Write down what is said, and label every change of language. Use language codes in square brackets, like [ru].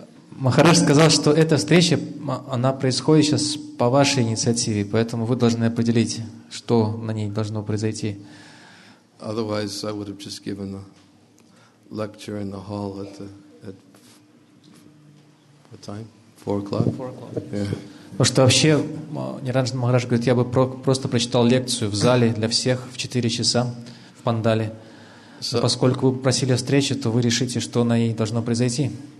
[ru] Махарадж сказал, что эта встреча, она происходит сейчас по вашей инициативе, поэтому вы должны определить, что на ней должно произойти. [en] Otherwise, I would have just given a lecture in the hall at the, at what time? 4 o'clock. 4 o'clock. Yeah. [ru] Потому что вообще Ниранджан Махарадж говорит, я бы просто прочитал лекцию в зале для всех в 4 часа в Пандале. So, но поскольку вы просили встречи, то вы решите, что на ней должно произойти.